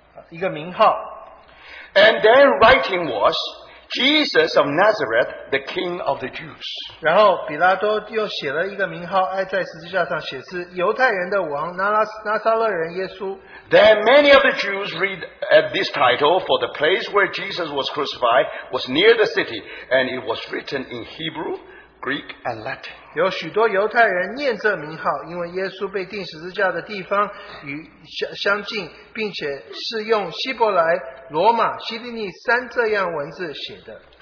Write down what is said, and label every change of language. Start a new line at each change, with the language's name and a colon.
English: and their writing was Jesus of Nazareth, the King of the Jews.
Chinese: 然后比拉多又写了一个名号, 爱在十字架上写是犹太人的王, 拿撒勒人耶稣。
English: Then many of the Jews read at this title, for the place where Jesus was crucified was near the city, and it was written in Hebrew, Greek and Latin.
Chinese: 有许多犹太人念这名号, 因为耶稣被钉十字架的地方与相近, 并且是用希伯来, 罗马, 希利尼三这样文字写的。